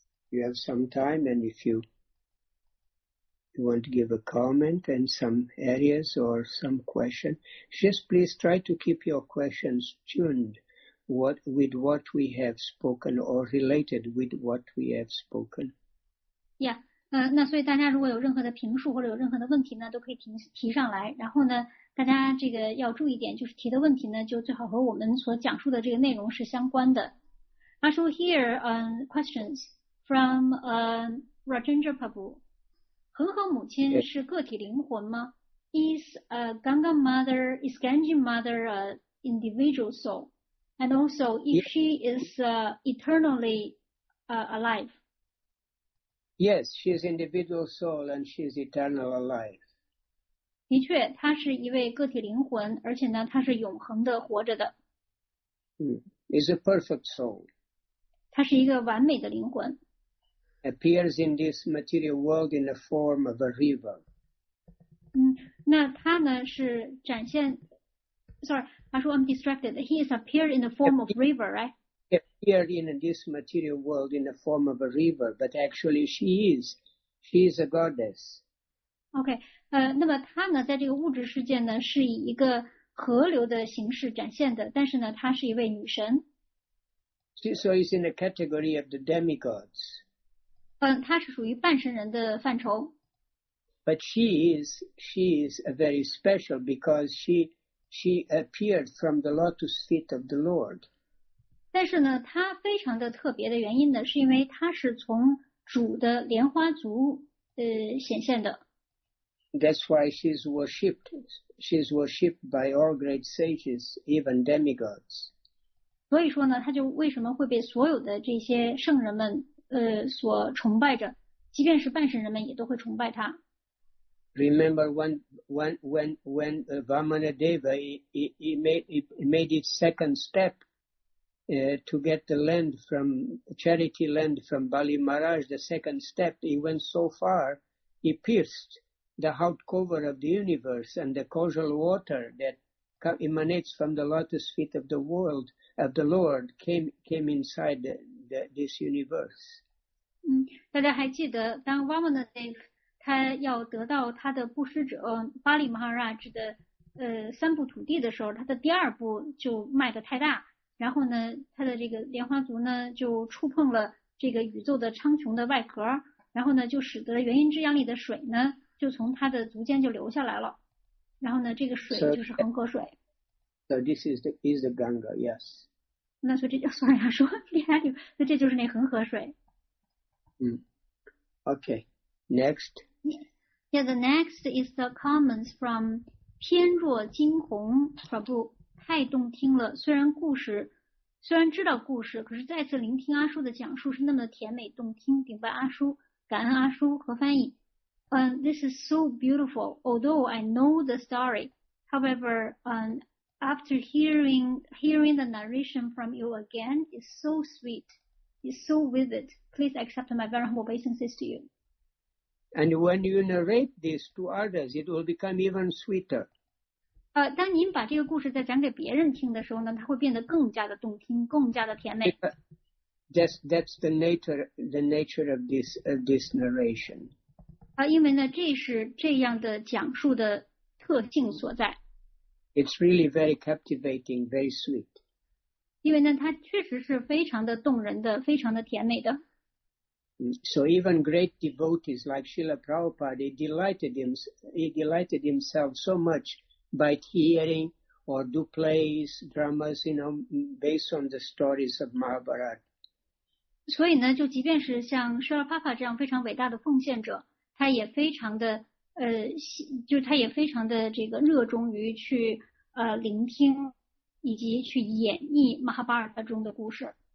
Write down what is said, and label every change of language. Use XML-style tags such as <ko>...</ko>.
<en>You have some time, and if you want to give a comment and some areas or some question, just please try to keep your questions tuned with what we have spoken or related with what we have spoken.</en> <zh>Yeah, 那所以大家如果有任何的评述或者有任何的问题呢，都可以提上来。然后呢，大家这个要注意点，就是提的问题呢，就最好和我们所讲述的这个内容是相关的。</zh> <en>I shall hear questions. From Rajendra Prabhu.</en> <zh>恒河母亲是个体灵魂吗</zh> <en>?Is Ganga mother, is Ganga mother an individual soul? And also, if she is eternally alive? Yes, she is individual soul and she is eternal alive.</en> <zh>的确她是一位个体灵魂而且呢她是永恒的活着的。</zh> <en>Is a perfect soul.</en> <zh>她是一个完美的灵魂。</zh> <en>Appears in this material world in the form of a river.</en> <zh>那他呢是展现</zh> <en>Sorry, I'm distracted. He is appeared in the form of river, right? Appeared in this material world in the form of a river, but actually she is a goddess.</en> <zh>Okay, 那么他呢在这个物质世界呢是以一个河流的形式展现的，但是呢她是一位女神。</zh> <en>So he's in the category of the demigods.</en> <zh>他是属于半神人的范畴。</zh> <en>But she is a very special because she appeared from the lotus feet of the Lord.</en> <zh>但是呢，她非常的特别的原因呢，是因为她是从主的莲花足显现的。</zh> <en>That's why she's worshipped. She's worshipped by all great sages, even demigods.</en> <zh>所以说呢，她就为什么会被所有的这些圣人们所崇拜着，即便是半神人们也都会崇拜她。</zh> <en>Remember when Vamanadeva he made its second step to get the land from charity land from Bali Maharaj. The second step, he went so far, he pierced the heart cover of the universe and the causal water that emanates from the lotus feet of the world of the Lord came inside this universe.</en> <zh>大家还记得当 Vamanadeva他要得到他的布施者巴里马哈拉指的三步土地的时候，他的第二步就迈得太大，然后呢，他的这个莲花足呢就触碰了这个宇宙的苍穹的外壳，然后呢就使得元婴之阳里的水呢就从他的足尖就流下来了，然后呢这个水就是恒河水。</zh> <en>So this is the Ganga, yes.</en> <zh>那所以这就算了说厉害点，那这就是那恒河水。</zh> <en>嗯、okay. Next. Yeah, the next is the comments from 偏若惊鸿 Prabhu.</en> <zh>太动听了，虽然知道故事，可是再次聆听阿叔的讲述是那么的甜美动听。顶拜阿叔，感恩阿叔和翻译。</zh> <en>This is so beautiful. Although I know the story, however, after hearing the narration from you again, it's so sweet. It's so vivid. Please accept my very humble obeisances to you. And when you narrate this to others, it will become even sweeter.</en> <zh>当您把这个故事再讲给别人听的时候呢，它会变得更加的动听，更加的甜美。</zh> <en>That's the nature of this narration.</en> <zh>因为呢，这是这样的讲述的特性所在。</zh> <en>It's really very captivating, very sweet.</en> <zh>因为呢，它确实是非常的动人的，非常的甜美的。</zh> <en>So even great devotees like Srila Prabhupada, he delighted himself so much by hearing or do plays, dramas, you know, based on the stories of Mahabharata.</en> <zh>所以呢，就即便是像 Srila Prabhupada 这样非常伟大的奉献者，他也非常的就他也非常的这个热衷于去聆听以及去演绎 Mahabharata 中的故事。</zh>